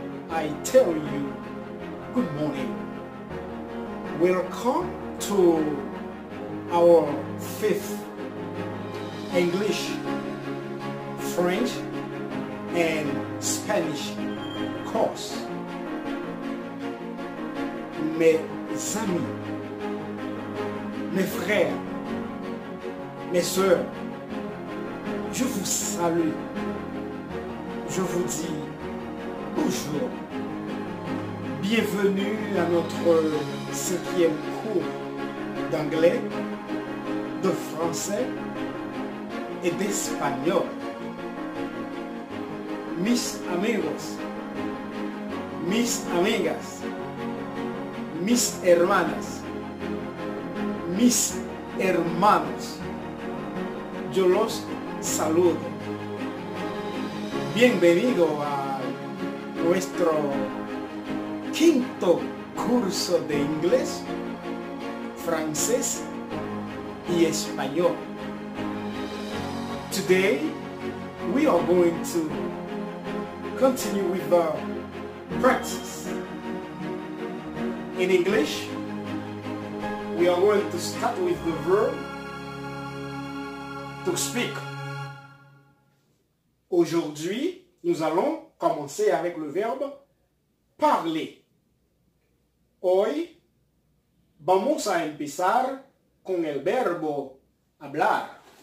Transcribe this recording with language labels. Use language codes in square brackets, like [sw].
[en] I tell you good morning. Welcome to our fifth English, French, and Spanish course. [fr] Mes amis, mes frères, mes sœurs, je vous salue. Je vous dis bonjour. Bienvenue à notre cinquième cours d'anglais, de français et d'espagnol. [es] Mis amigos, mis amigas, mis hermanas, mis hermanos, yo los saludo. Bienvenido a nuestro quinto curso de inglés, francés y español. [en] Today, we are going to continue with our practice. In English, we are going to start with the verb to speak. [fr] Aujourd'hui, nous allons commencer avec le verbe parler. [es] Hoy, vamos a empezar con el verbo hablar.